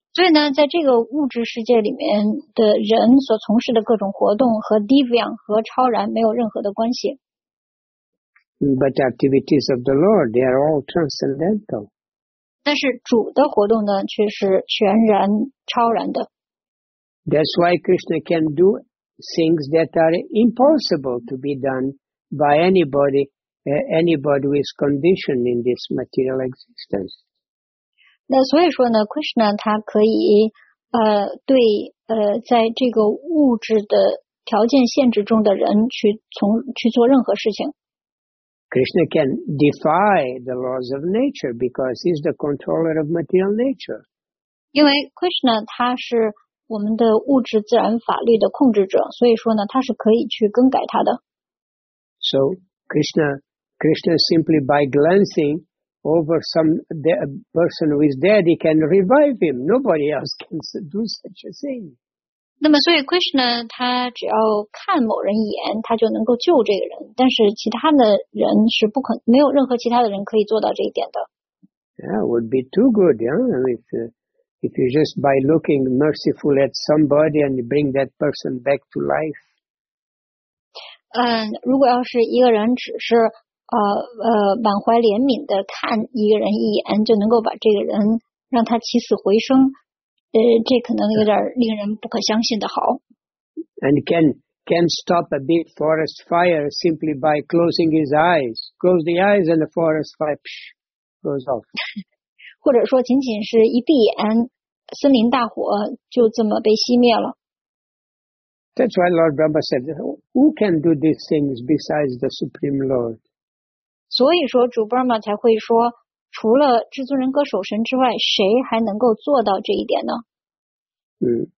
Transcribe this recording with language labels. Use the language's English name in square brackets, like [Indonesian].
[Chinese] 所以呢，在这个物质世界里面的人所从事的各种活动和 divyam 和超然没有任何的关系。 [English] But activities of the Lord, they are all transcendental. [Chinese] 但是主的活动呢，却是全然超然的。 [English] That's why Krishna can do things that are impossible to be done by anybody who is conditioned in this material existence. [Chinese] 那所以说呢 ，Krishna 他可以对在这个物质的条件限制中的人去做任何事情。 [English] Krishna can defy the laws of nature because he's the controller of material nature. [Chinese] 因为 Krishna 他是我们的物质自然法律的控制者，所以说呢，他是可以去更改他的。 [English] So Krishna simply by glancing. Over some person who is dead, he can revive him. Nobody else can do such a thing. [Chinese] 那么，所以 Krishna 他只要看某人一眼，他就能够救这个人。但是，其他的人是不可，没有任何其他的人可以做到这一点的。 [English] Yeah, it would be too good, yeah. If you just by looking merciful at somebody and you bring that person back to life. [Chinese] 如果要是一个人只是。满怀怜悯的看一个人一眼，就能够把这个人让他起死回生，这可能有点令人不可相信的好。 [English] And can stop a big forest fire simply by closing his eyes. Close the eyes and the forest fire goes off. [Chinese] 或者说，仅仅是一闭眼，森林大火就这么被熄灭了。 [English] That's why Lord Brahma said, "Who can do these things besides the Supreme Lord?" [Chinese] 所以说主伯玛才会说除了至尊人歌手神之外谁还能够做到这一点呢、